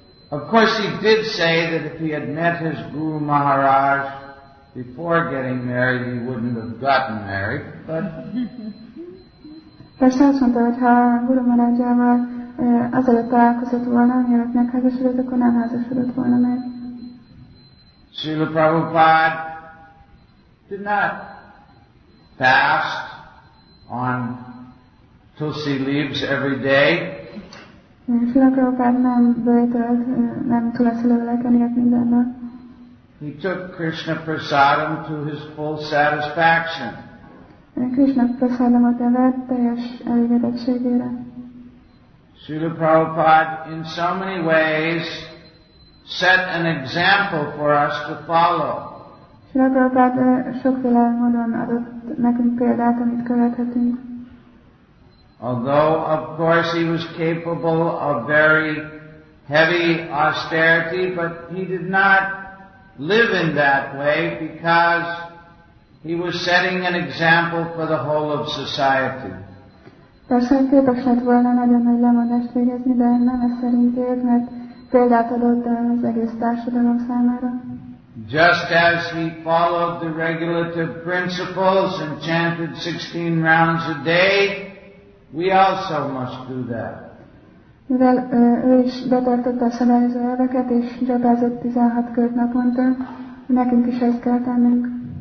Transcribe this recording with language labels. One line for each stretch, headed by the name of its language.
English: Of course, he did say that if he had met his Guru Maharaj before getting married, he wouldn't have gotten married. But
Hungarian: persze azt mondta, hogy ha Guru Maharajával azelőtt találkozott volna, mielőtt megházasodott, akkor nem házasodott volna meg.
English: Srila Prabhupada did not fast on tulsi leaves every day.
Hungarian: Srila Prabhupada nem bőjtölt, nem tulajdonképpen élt minden nap.
English: He took Krishna prasadam to his full satisfaction.
Hungarian: Krishna prasadamot evett teljes elégedettségére.
English: Srila Prabhupada in so many ways set an example for us to follow.
Hungarian: Srila Prabhupada sokféle módon adott nekünk példát, amit követhetünk.
English: Although, of course, he was capable of very heavy austerity, but he did not live in that way because he was setting an example for the whole of society.
Hungarian: Persze képes lett volna nagyon nagy lemondást végezni, de nem ez szerint ért, mert példát adott az egész társadalom számára.
English: Just as he followed the regulative principles and chanted 16 rounds a day, we also must do that.
Hungarian: Mivel ő is betartotta a szabályozó elveket, és dzsapázott 16 kört naponta, nekünk is ezt kell tennünk.